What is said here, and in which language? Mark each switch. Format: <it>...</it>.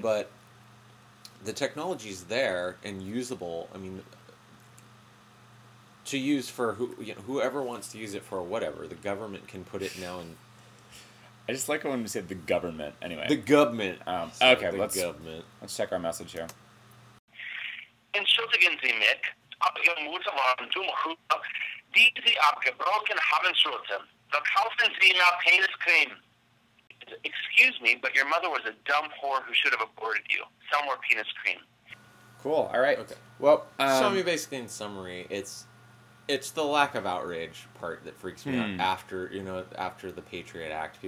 <en>But the technology's there and usable. I mean, to use for who, you know, whoever wants to use it for whatever. The government can put it now in. I just like it when we say the government, anyway. The government. Okay, the government. Let's check our message here.</en> <de>Entschuldigen Sie mich, aber Ihre Mutter war ein dummer Hüter, die Sie abgebrochen haben sollten. Verkaufen Sie mir Peniscreme.</de> <en>Excuse me, but your mother was a dumb whore who should have aborted you. Sell more penis cream. Cool, all right. Okay. Well, show me basically in summary, it's the lack of outrage part that freaks me out after, you know, after the Patriot Act.</en>